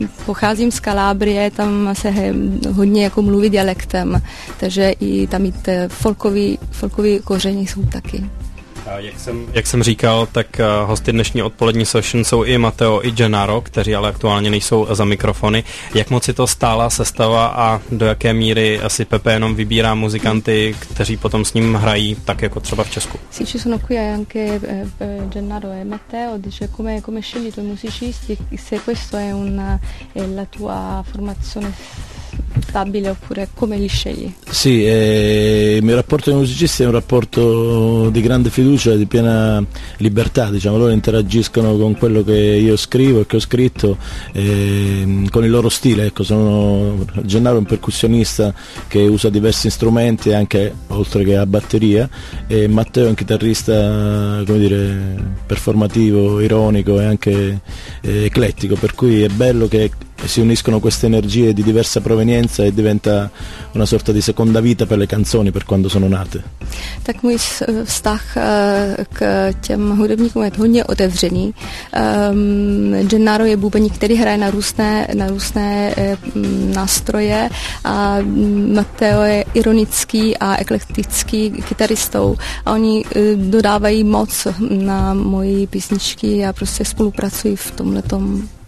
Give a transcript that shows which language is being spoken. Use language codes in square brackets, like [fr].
[cs] Pocházím z Kalábrie, tam se hodně jako mluví dialektem, takže i tam i ty folkový kořeny jsou taky. Jak jsem říkal, tak hosty dnešní odpolední session jsou i Matteo i Gennaro, kteří ale aktuálně nejsou za mikrofony. Jak moc je to stálá sestava a do jaké míry asi Pepe jenom vybírá muzikanty, kteří potom s ním hrají, tak jako třeba v Česku? [it] Sì, ci sono qui anche Gennaro e Matteo, dice come scegli i tuoi musicisti, se questo è una è la tua formazione stabile oppure come li scegli? Sì, il mio rapporto con i musicisti è un rapporto di grande fiducia, di piena libertà, diciamo, loro interagiscono con quello che io scrivo e che ho scritto, con il loro stile, ecco, sono Gennaro, un percussionista che usa diversi strumenti, anche oltre che a batteria, e Matteo è un chitarrista, come dire, performativo, ironico e anche eclettico, per cui è bello che si uniscono queste energie di diversa provenienza e diventa una sorta di seconda vita per le canzoni, per quando sono nate. [cs] Tak můj vztah k těm hudebníkům je hodně otevřený. Gennaro je bubeník, který hraje na různé nástroje, a Matteo je ironický a eklektický kytaristou, a oni dodávají moc na moje písničky a prostě spolupracují v tomhletom.